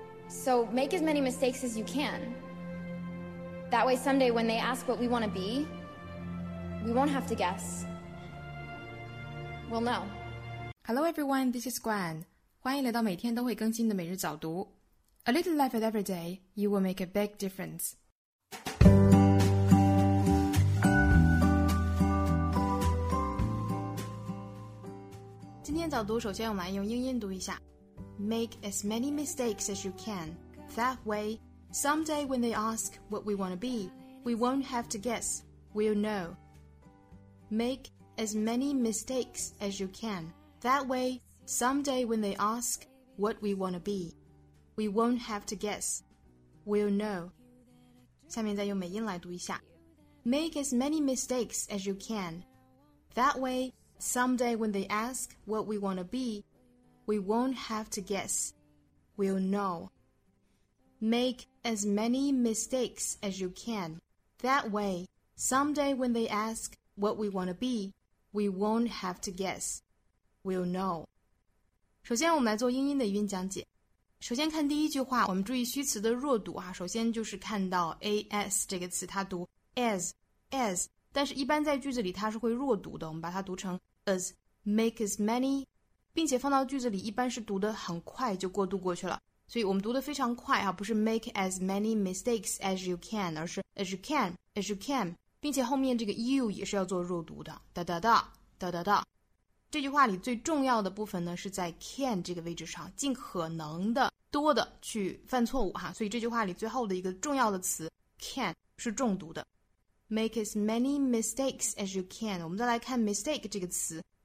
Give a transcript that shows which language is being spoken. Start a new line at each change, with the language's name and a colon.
English: So make as many mistakes as you can. That way someday when they ask what we want to be, we won't have to guess. We'll know. Hello everyone, this is Gwen.
Chinese: 欢迎来到每天都会更新的每日早读。
English: A little effort every day, you will make a big difference.
Chinese: 今天早读首先我们来用英音读一下。
English: Make as many mistakes as you can. That way, someday when they ask what we want to be, we won't have to guess, we'll know. Make as many mistakes as you can. That way, someday when they ask what we want to be, we won't have to guess, we'll know.
Chinese: 下面再用美音来读一下。
English: Make as many mistakes as you can. That way, someday when they ask what we want to be,We won't have to guess. We'll know. Make as many mistakes as you can. That way, someday when they ask what we want to be, we won't have to guess. We'll know.
Chinese: 首先我们来做英音的语音讲解。首先看第一句话，我们注意虚词的弱读啊。首先就是看到 as 这个词，它读 as, 但是一般在句子里它是会弱读的，我们把它读成 as,
English: make as many,
Chinese: 并且放到句子里一般是读得很快就过渡过去了。所以我们读得非常快啊，不是
English: make as many mistakes as you can,
Chinese: 而是
English: as you can,
Chinese: 并且后面这个 you 也是要做弱读的。哒哒哒哒哒哒。这句话里最重要的部分呢是在 can 这个位置上尽可能的多的去犯错误啊，所以这句话里最后的一个重要的词 can 是重读的。
English: Make as many mistakes as you can,
Chinese: 我们再来看 mistake 这个词。